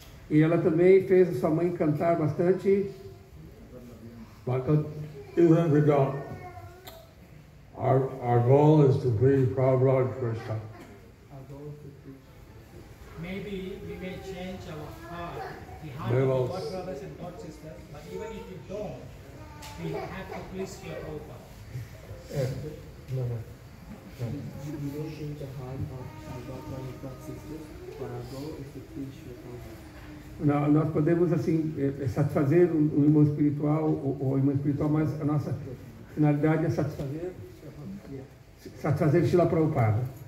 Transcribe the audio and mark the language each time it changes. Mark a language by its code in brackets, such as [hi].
[pt] E ela também fez a sua mãe cantar bastante. [en] But even if we don't, our goal is to be Prabhupada Krishna. Maybe we may change our heart, the heart of our brothers and our sisters, but even if you don't, we have to please your Prabhupada. We may change the heart of our brothers and our sisters, but our goal is to please your Prabhupada. [pt] Não, nós podemos assim satisfazer um irmão espiritual ou irmã espiritual, mas a nossa finalidade é satisfazer Shila Prabhupada.